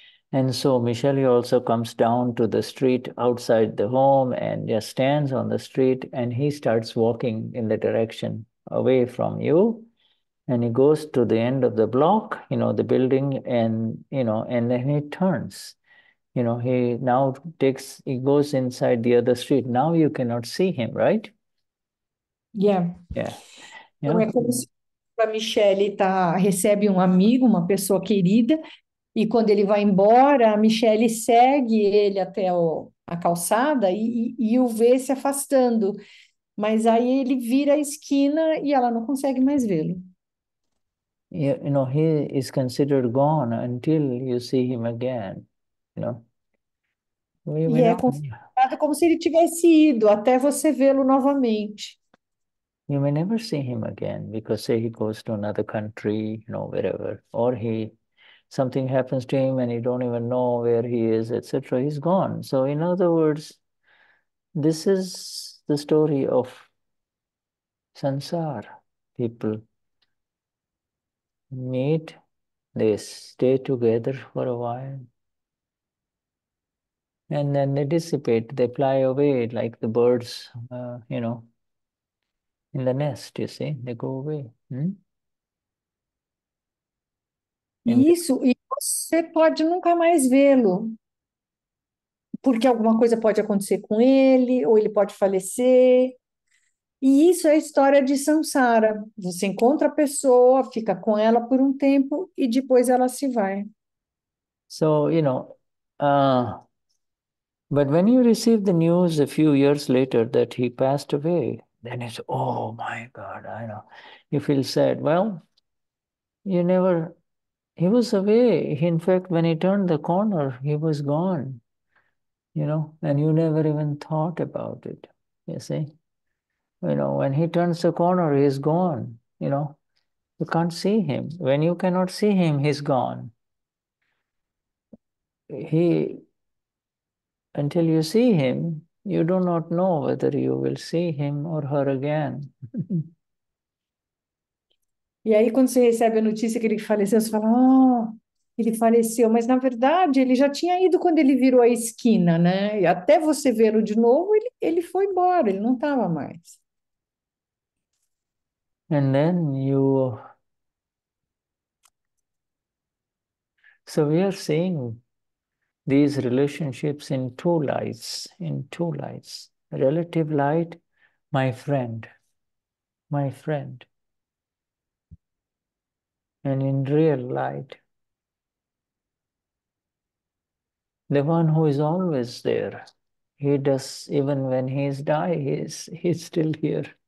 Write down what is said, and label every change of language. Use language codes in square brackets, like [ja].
[en] And so Michelle also comes down to the street outside the home and just stands on the street and he starts walking in the direction away from you. And he goes to the end of the block, you know, the building, and, you know, and then he turns. You know, he now takes, he goes inside the other street. Now you cannot see him, right? Yeah. [pt] Então, é como se a Michelle tá, recebe um amigo, uma pessoa querida, e quando ele vai embora, a Michelle segue ele até a calçada e o vê se afastando. Mas aí ele vira a esquina e ela não consegue mais vê-lo. [en] You know, he is considered gone until you see him again, you know. [pt] E é considerado como se ele tivesse ido até você vê-lo novamente. [en] You may never see him again, because say he goes to another country, you know, wherever, or he, something happens to him and you don't even know where he is, etc. He's gone. So in other words, this is the story of samsara. People meet, they stay together for a while, and then they dissipate, they fly away like the birds, you know, in the nest, you see, they go away. [pt] Isso, e você pode nunca mais vê-lo, porque alguma coisa pode acontecer com ele, ou ele pode falecer. E isso é a história de samsara. Você encontra a pessoa, fica com ela por um tempo e depois ela se vai. [en] So, you know, but when you receive the news a few years later that he passed away, then it's, oh my God, I know. You feel sad. Well, you never, he was away. In fact, when he turned the corner, he was gone, you know, and you never even thought about it, you see. You know, when he turns the corner, he's gone. You know, you can't see him. When you cannot see him, he's gone. He, until you see him, you do not know whether you will see him or her again. [pt] E aí, quando você recebe a notícia que ele faleceu, você fala, oh, ele faleceu. Mas, na verdade, ele já tinha ido quando ele virou a esquina, né? E até você vê-lo de novo, ele foi embora, ele não estava mais. [en] And then you, so we are seeing these relationships in two lights, relative light, my friend, and in real light, the one who is always there, he does, even when he's die, he's still here.